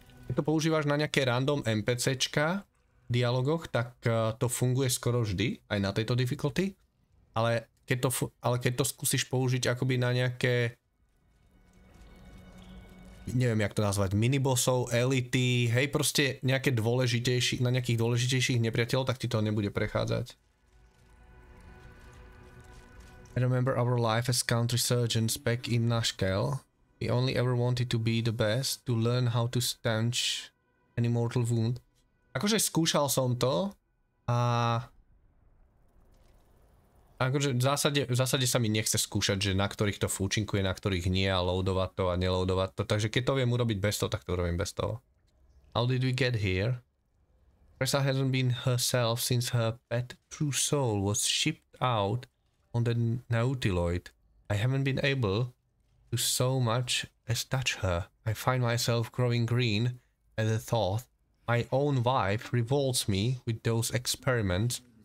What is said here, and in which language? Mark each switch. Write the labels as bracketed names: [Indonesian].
[Slovak] Keď to používaš na nejaké random NPCčka v dialogoch, tak to funguje skoro vždy, aj na tejto difficulty. Ale... Keď to skúsiš použiť akoby na nejaké, neviem jak to nazvať, minibossov, elity, hej, proste nejaké dôležitejší, na nejakých dôležitejších nepriateľov, tak ti to nebude prechádzať. [English] I remember our life as country surgeons back in Nashkel. We only ever wanted to be the best, to learn how to stanch any mortal wound. [Slovak] Akože skúšal som to a... Akože v zásade sa mi nechce skúšať, že na ktorých to funkčinkuje, na ktorých nie, a loadovať to a neloadovať to. Takže keď to viem urobiť bez toho, tak to robím bez toho. [English] How did we get here? Pressa hasn't been herself since her pet true soul was shipped out on the Nautiloid. I haven't been able to so much as touch her. I find myself growing green at the thought. My own wife revolts me with those experiments.